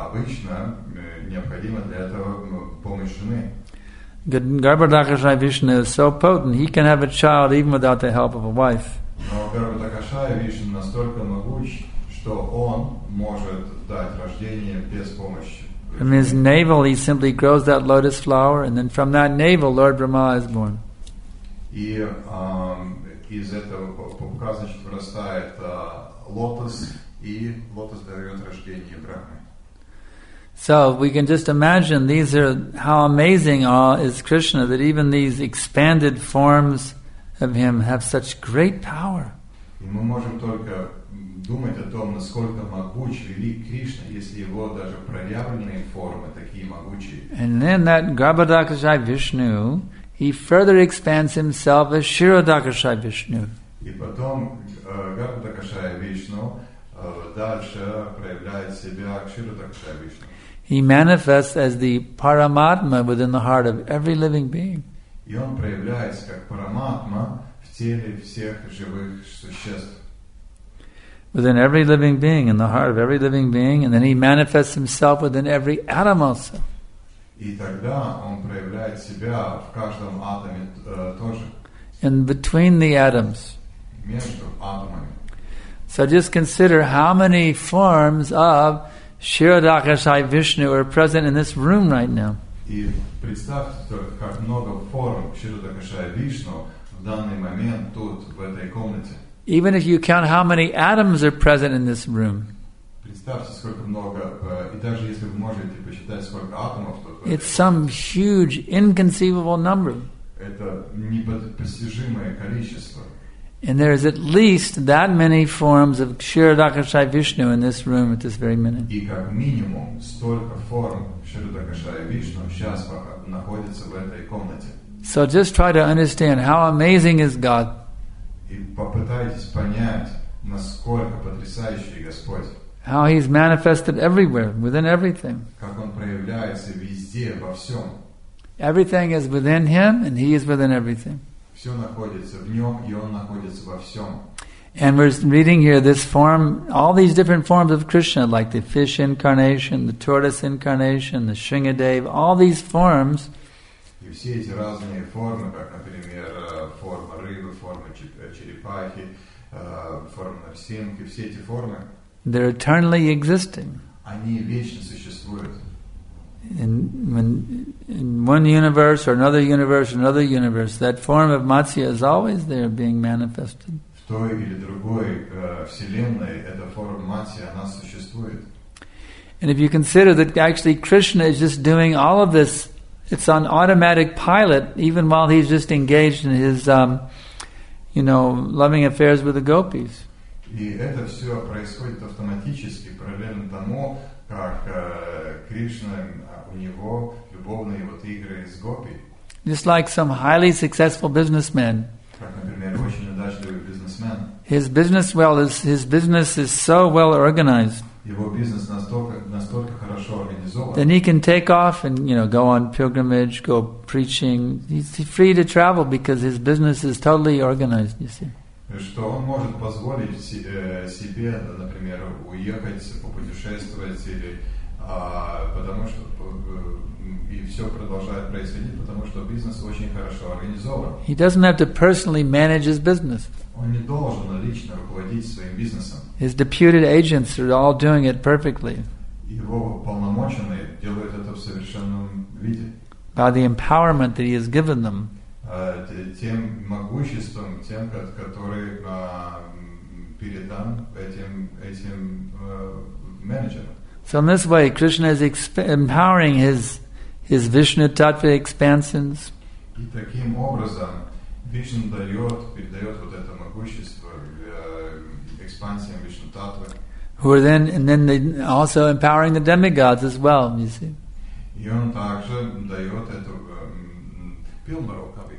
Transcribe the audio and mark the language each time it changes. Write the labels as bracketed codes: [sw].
[ru] Обычно необходимо для этого помощь жены. [en] Garbhodaka Shaya Vishnu is so potent, he can have a child even without the help of a wife. [ru] Но Garbhodaka Shaya Vishnu настолько могуч, что он может дать рождение без помощи. [en] From his navel, he simply grows that lotus flower, and then from that navel, Lord Brahma is born. [ru] И из этого пупка, значит, вырастает лотос, и лотос дает рождение Брахме. [en] So we can just imagine these are how amazing all is Krishna that even these expanded forms of him have such great power. [ru] И мы можем только думать о том, насколько могуч велик Кришна, если его даже проявленные формы такие могучие. [en] And then that Garbhodakshaya Vishnu, he further expands himself as Shirodakshaya Vishnu. [ru] И потом Garbhodakshaya Vishnu дальше проявляет себя как Shirodakshaya Vishnu. [en] He manifests as the Paramatma within the heart of every living being. [ru] И он проявляется как Параматма в теле всех живых существ. [en] Within every living being, in the heart of every living being, and then he manifests himself within every atom also. [ru] И тогда он проявляет себя в каждом атоме тоже. [en] And between the atoms. [ru] Между атомами. [en] So just consider how many forms of Shirodakshaya Vishnu are present in this room right now. [ru] И представьте только, как много форм Shirodakshaya Vishnu в данный момент тут, в этой комнате. [en] Even if you count how many atoms are present in this room. [ru] Представьте, сколько много, и даже если вы можете посчитать, сколько атомов тут. [en] It's some huge, inconceivable number. [ru] Это непостижимое количество. [en] And there is at least that many forms of Shirodakshaya Vishnu in this room at this very minute. [ru] И как минимум столько форм Shirodakshaya Vishnu сейчас находится в этой комнате. [en] So just try to understand how amazing is God. [ru] И попытайтесь понять, насколько потрясающий Господь. [en] How he's manifested everywhere, within everything. [ru] Как он проявляется везде, во всем. [en] Everything is within him, and he is within everything. [ru] Все находится в нем, и он находится во всем. [en] And we're reading here this form, all these different forms of Krishna, like the fish incarnation, the tortoise incarnation, the Shringadeva, all these forms. [ru] И все эти разные формы, как, например, форма рыбы, форма черепахи, форма нарсинки, все эти формы. [en] They're eternally existing. [ru] Они вечно существуют. [en] In one universe or another universe, another universe, that form of Matsya is always there being manifested. [ru] В той или другой вселенной эта форма Матсья, она существует. [en] And if you consider that actually Krishna is just doing all of this, it's on automatic pilot, even while he's just engaged in his, loving affairs with the gopis. [ru] И это все происходит автоматически, параллельно тому, как Кришна, у него любовные вот игры с гопи. [en] Just like some highly successful businessman. [ru] Как, например, очень удачливый бизнесмен. [en] His business is so well organized. [ru] Его бизнес настолько хорошо организован. [en] Then he can take off and, go on pilgrimage, go preaching. He's free to travel because his business is totally organized, you see. [ru] Что он может позволить себе, например, уехать, попутешествовать, или, потому что и все продолжает происходить, потому что бизнес очень хорошо организован. [en] He doesn't have to personally manage his business. [ru] Он не должен лично руководить своим бизнесом. [en] His deputed agents are all doing it perfectly. [ru] Его полномоченные делают это в совершенном виде. [en] By the empowerment that he has given them. [ru] Тем могуществом, тем, который передан этим менеджерам. [en] So in this way, Krishna is empowering his Vishnu Tattva expansions. [ru] И таким образом Вишну передает вот это могущество экспансиям Вишну Таттвы. [en] And then they also empowering the demigods as well, you see. [ru] И он также дает эту Пилмару.